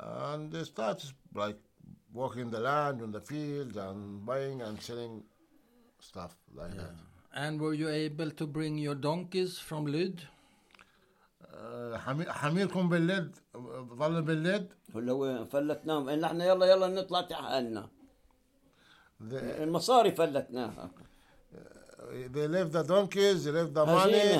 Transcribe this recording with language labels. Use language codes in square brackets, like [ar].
[en] And he starts like working the land and the field and buying and selling stuff like that. And were you able to bring your donkeys from Lyd? [ar] حميركم باللد ظل باللد ولا وين فلتنا ان احنا يلا يلا نطلع تحالنا المصاري فلتناها. [en] They left the donkeys, they left the money,